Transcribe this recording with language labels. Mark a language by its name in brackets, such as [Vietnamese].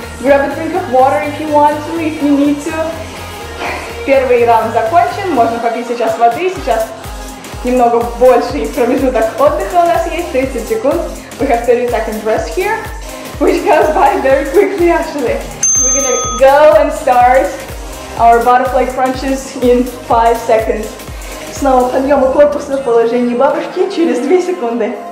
[English] Grab a drink of water if you want to, if you need to. [Russian] Первый раунд закончен. Можно попить сейчас воды. Сейчас немного больше промежуток отдыха у нас есть. 30 секунд. [English] We have 30 seconds rest here. Which goes by very quickly, actually. We're gonna go and start our butterfly crunches in 5 seconds. [Russian] Снова подъемы корпуса в положении бабушки через 2 секунды.